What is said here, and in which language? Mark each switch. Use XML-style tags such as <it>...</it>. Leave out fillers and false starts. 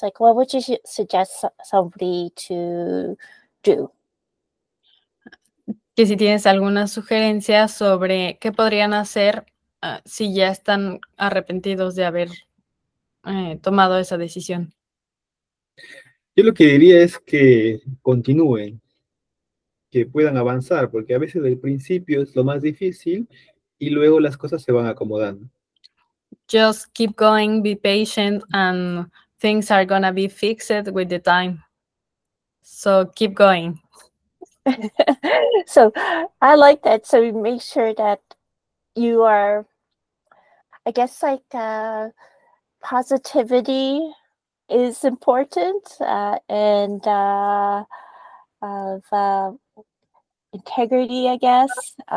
<en>Like, what would you suggest somebody to do?</en> <es>Que si tienes alguna sugerencia sobre qué podrían hacer si ya están arrepentidos de haber tomado esa decisión. Yo lo que diría es que continúen, que puedan avanzar, porque a veces el principio es lo más difícil y luego las cosas se van acomodando.</es> <en>Just keep going, be patient, and things are gonna be fixed with the time. So keep going. So I like that. So make sure that you are, I guess, like positivity is important, integrity, I guess.</en>